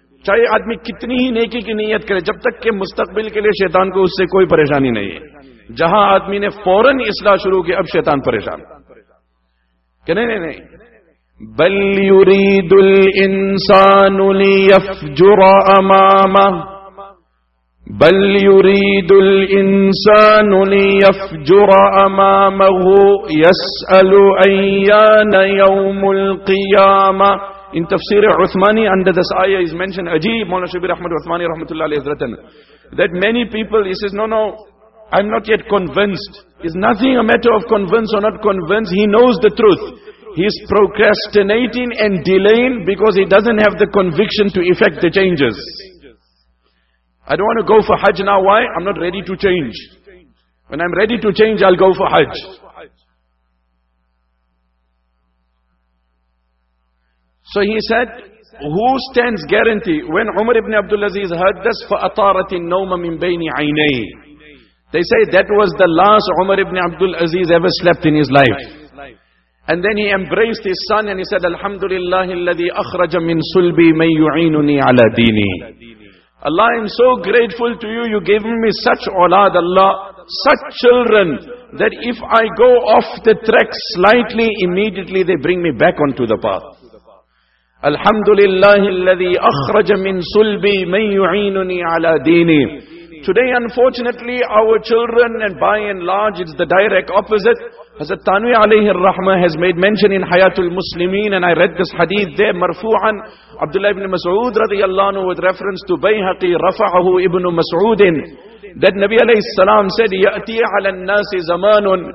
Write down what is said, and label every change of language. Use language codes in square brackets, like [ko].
[ur] چاہے آدمی کتنی ہی نیکی کی نیت کرے جب تک کہ مستقبل کے لئے شیطان کو اس سے کوئی پریشانی نہیں ہے جہاں آدمی نے فوراً اصلاح شروع کی اب شیطان پریشان کہ نہیں [ar] بل یرید الانسان لیفجر امامہ بَلْ يُرِيدُ الْإِنسَانُ لِيَفْجُرَ أَمَامَهُ يَسْأَلُ أَيَّانَ يَوْمُ الْقِيَامَةِ. [en] In Tafsir Uthmani, under this ayah is mentioned, Ajib, Mawlana Shabir Ahmad Uthmani, rahmatullahi alayhi hazratan, that many people, he says, no, I'm not yet convinced. It's nothing a matter of convinced or not convinced. He knows the truth. He's procrastinating and delaying because he doesn't have the conviction to effect the changes. I don't want to go for Hajj now. Why? I'm not ready to change. When I'm ready to change, I'll go for Hajj. So he said, who stands guarantee? When Umar ibn Abdul Aziz heard this, [ar] فَأَطَارَتِ النَّوْمَ مِنْ بَيْنِ عَيْنَيْهِ. [en] They say that was the last Umar ibn Abdul Aziz ever slept in his life. And then he embraced his son and he said, Alhamdulillah, [ar] الَّذِي أَخْرَجَ مِنْ سُلْبِي مَنْ يُعِينُنِي عَلَى دِينِي. [en] Allah, I'm so grateful to you. You gave me such aulad, Allah, such children, that if I go off the track slightly, immediately they bring me back onto the path. [ar] Alhamdulillah, الذي أخرج من سلبي من يعينني على ديني. [en] Today, unfortunately, our children, and by and large, it's the direct opposite. Hazrat Tanwi alayhi rahmah has made mention in Hayatul Muslimin, and I read this hadith there, marfu'an, Abdullah ibn Mas'ud radiyallahu anhu, with reference to Bayhaqi, rafa'ahu ibn Mas'udin, that Nabi alayhi salam said, [ar] يَأْتِي عَلَى النَّاسِ زَمَانٌ